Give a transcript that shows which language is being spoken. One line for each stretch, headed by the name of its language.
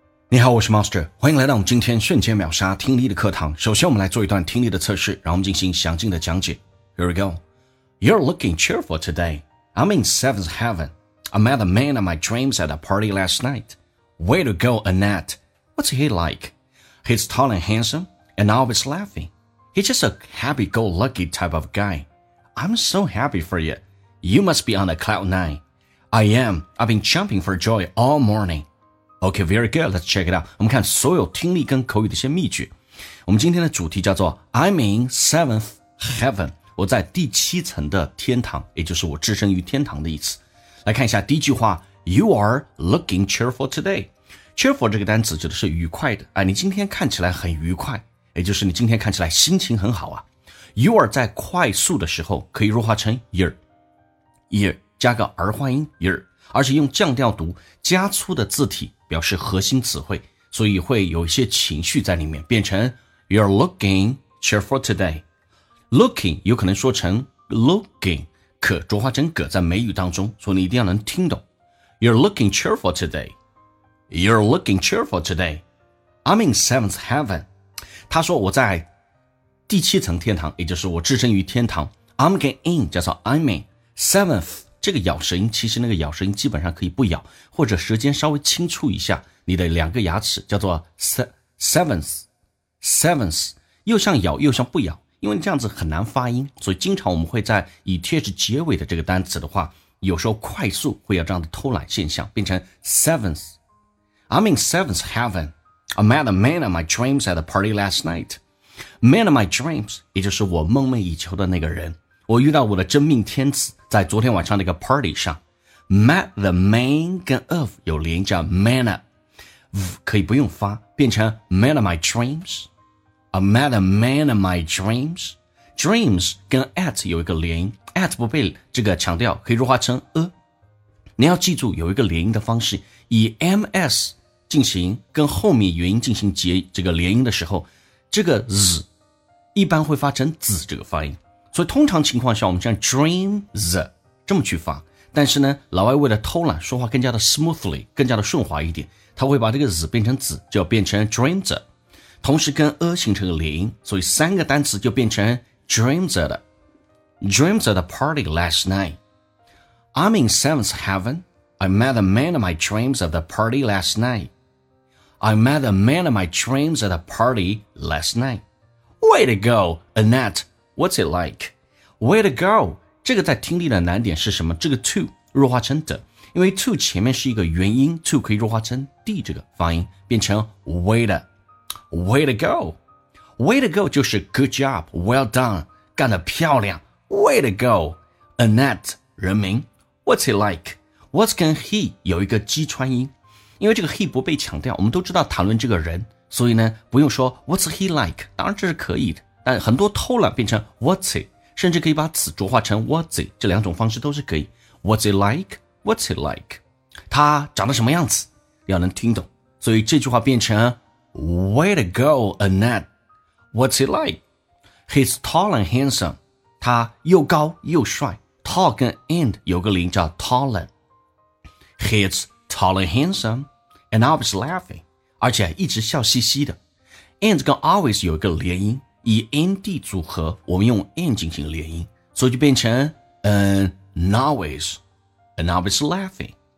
Chinese: 你好，我是 Monster， 欢迎来到我们今天瞬间秒杀听力的课堂。首先我们来做一段听力的测试，然后我们进行详尽的讲解。
English: Here we go. You're looking cheerful today. I'm in seventh heaven. I met a man of my dreams at a party last night. Way to go, Annette. What's he like? He's tall and handsome, and always laughing. He's just a happy-go-lucky type of guy. I'm so happy for you. You must be on a cloud nine. I am. I've been jumping for joy all morning. Okay, very good. Let's check it out.
Chinese: 我们看所有听力跟口语的一些秘诀。我们今天的主题叫做
English: I'm in seventh heaven.
Chinese: 我在第七层的天堂，也就是我置身于天堂的意思。来看一下第一句话，
English: You are looking cheerful today.
Chinese: Cheerful 这个单词指的是愉快的，你今天看起来很愉快，也就是你今天看起来心情很好啊。 You are 在快速的时候可以弱化成 you're 加个儿化音 you're， 而且用降调读加粗的字体表示核心词汇，所以会有一些情绪在里面，变成
English: You're looking cheerful today.
Chinese: Looking 有可能说成 looking， 可浊化成可在美语当中，所以你一定要能听懂。
English: You're looking cheerful today. You're looking cheerful today. I'm in seventh heaven.
Chinese: 他说我在第七层天堂，也就是我置身于天堂。
English: I'm getting in
Chinese: 叫做
English: I'm in seventh。
Chinese: 这个咬舌音，其实那个咬舌音基本上可以不咬，或者舌尖稍微轻触一下你的两个牙齿，叫做 seventh， 又像咬又像不咬，因为这样子很难发音，所以经常我们会在以 th 结尾的这个单词的话，有时候快速会有这样的偷懒现象，变成 seventh。
English: I'm in seventh heaven. I met a man of my dreams at a party last night. Man of my dreams
Chinese: 也就是我梦寐以求的那个人，我遇到我的真命天子在昨天晚上那个 party 上。
English: Met the man 跟 of
Chinese: 有连叫
English: man of
Chinese: 可以不用发，变成
English: man of my dreams. I met a man of my dreams.
Chinese: Dreams 跟 at 有一个连 at 不被这个强调，可以弱化成 a。你要记住有一个连音的方式，以 ms 进行跟后面元音进行结这个连音的时候，这个 z 一般会发成 z 这个发音，所以通常情况下我们像 dreams 这么去发，但是呢老外为了偷懒说话更加的 smoothly 更加的顺滑一点，他会把这个 z 变成 z， 就变成 dreams， 同时跟 a 形成了连音，所以三个单词就变成 dreams 的
English: dreams at the party last night. I'm in seventh heaven. I met a man of my dreams at the party last night. I met a man of my dreams at the party last night. Way to go, AnnetteWhat's it like? Way to go!
Chinese: 这个在听力的难点是什么？这个 to 弱化成 d， 因为 to 前面是一个元音， to 可以弱化成 d 这个发音，变成
English: way to go. Way to go
Chinese: 就是
English: good job, well done,
Chinese: 干得漂亮。
English: Way to go, Annette 人名。 What's it like?
Chinese: What's 跟 he 有一个击穿音，因为这个 he 不被强调，我们都知道谈论这个人，所以呢不用说
English: what's he like，
Chinese: 当然这是可以的，但很多偷懒变成 what's it， 甚至可以把词浊化成 what's it， 这两种方式都是可以。
English: What's it like? What's it like?
Chinese: 他长得什么样子要能听懂，所以这句话变成
English: Way to go, Annette. What's it like? He's tall and handsome.
Chinese: 他又高又帅，
English: tall 跟 and
Chinese: 有个零叫
English: tallen. He's tall and handsome and always laughing，
Chinese: 而且一直笑嘻嘻的。 and 跟 always 有一个连音，以 and 组合，我们用 and 进行连音，所以就变成
English: and always laughing.